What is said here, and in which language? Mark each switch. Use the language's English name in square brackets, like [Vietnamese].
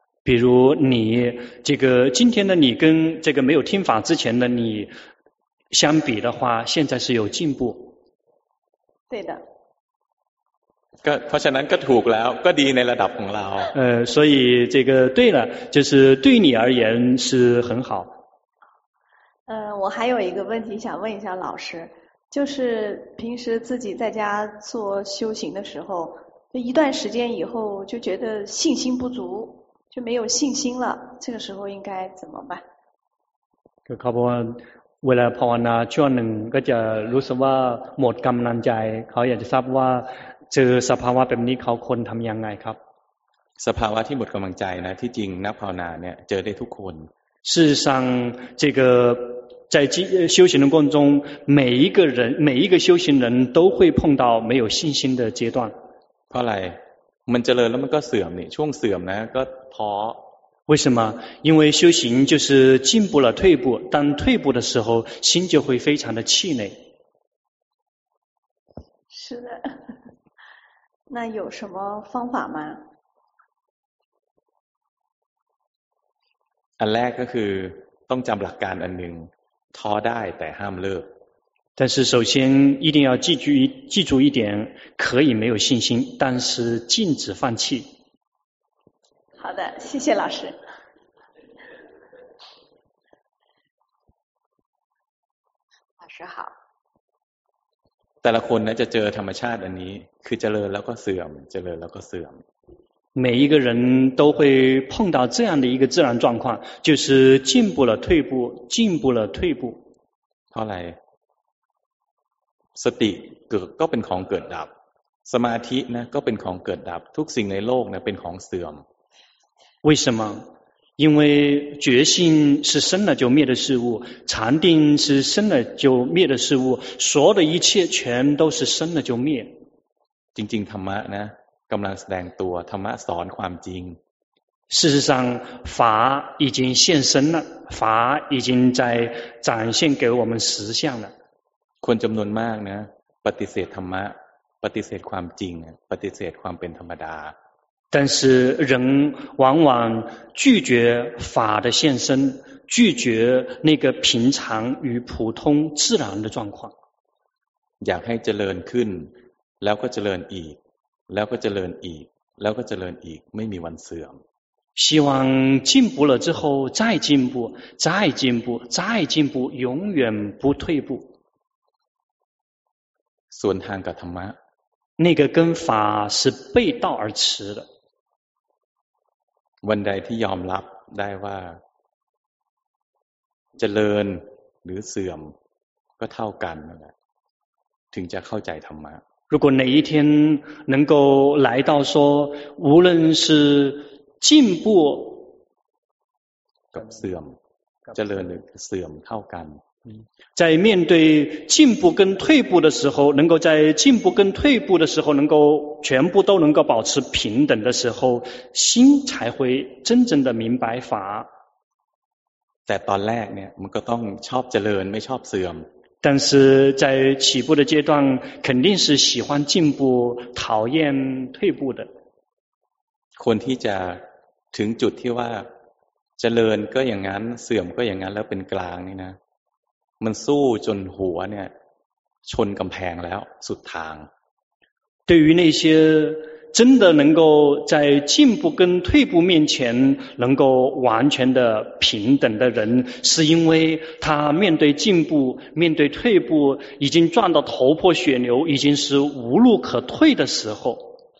[Chinese] 比如你这个今天的你跟这个没有听法之前的你相比的话现在是有进步对的 [Thai] ก็เพราะฉะนั้นก็ถูกแล้วก็ดีในระดับของเรา [Chinese] เออ所以这个对了就是对你而言是很好我还有一个问题想问一下老师就是平时自己在家做修行的时候一段时间以后就觉得信心不足就没有信心了这个时候应该怎么办 [Thai] ก็เขาบอกว่าเวลาภาวนาช่วงหนึ่งก็จะรู้สึกว่าหมดกำลังใจเขาอยากจะทราบว่าเจอสภาวะแบบนี้เขาคนทำยังไงครับ สภาวะที่หมดกำลังใจนะที่จริงนักภาวนาเนี่ยเจอได้ทุกคน [Chinese] 事实上这个在修行的过程中每一个人每一个修行人都会碰到没有信心的阶段 [Thai] เพราะอะไรมันเจริญแล้วมันก็เสื่อมนี่ช่วงเสื่อมนะก็ท้อ [Chinese] 为什么因为修行就是进步了退步当退步的时候心就会非常的气馁是的那有什么方法吗 [Thai] อันแรกก็คือต้องจำหลักการอันหนึ่งท้อได้แต่ห้ามเลิก [Chinese] 但是首先一定要记住一点可以没有信心但是禁止放弃好的谢谢老师老师好 [Thai] แต่ละคนนะจะเจอธรรมชาติอันนี้คือเจริญแล้วก็เสื่อมเจริญแล้วก็เสื่อม [Chinese] 每一个人都会碰到这样的一个自然状况就是进步了退步进步了退步 [Thai] เพราะอะไรสติเกิดก็เป็นของเกิดดับสมาธินะก็เป็นของเกิดดับทุกสิ่งในโลกนะเป็นของเสื่อม [Chinese] 为什么因为觉性是生了就灭的事物禅定是生了就灭的事物所有的一切全都是生了就灭 [Thai] จริงๆธรรมะนะกำลังแสดงตัวธรรมะสอนความจริง [Chinese] 事实上法已经现身了法已经在展现给我们实相了 [Thai] คนจำนวนมากนะปฏิเสธธรรมะปฏิเสธความจริงปฏิเสธความเป็นธรรมดา [Chinese] 但是人往往拒绝法的现身拒绝那个平常与普通自然的状况 [Thai] อยากให้เจริญขึ้นแล้วก็เจริญอีกแล้วก็เจริญอีกแล้วก็เจริญอีกไม่มีวันเสื่อม [Chinese] 希望进步了之后再进步再进步再进步永远不退步 [Thai] ส่วนทางกับธรรมะ [Chinese] 那个跟法是背道而驰的 [Thai] วันใดที่ยอมรับได้ว่าเจริญหรือเสื่อมก็เท่ากันนั่นแหละถึงจะเข้าใจธรรมะ [Chinese] 如果哪一天能够来到说无论是进步 [Thai] กับเสื่อมเจริญหรือเสื่อมเท่ากัน [Chinese] 在面对进步跟退步的时候能够在进步跟退步的时候能够全部都能够保持平等的时候心才会真正的明白法 [Thai] แต่ตอนแรกเนี่ยมันก็ต้องชอบเจริญไม่ชอบเสื่อม [Chinese] 但是在起步的阶段肯定是喜欢进步讨厌退步的 [Thai] คนที่จะถึงจุดที่ว่าเจริญก็อย่างนั้นเสื่อมก็อย่างนั้นแล้วเป็นกลางนี่นะมันสู้จนหัวเนี่ยชนกำแพงแล้วสุดทาง [Chinese] 对于那些真的能够在进步跟退步面前能够完全的平等的人是因为他面对进步面对退步已经撞到头破血流已经是无路可退的时候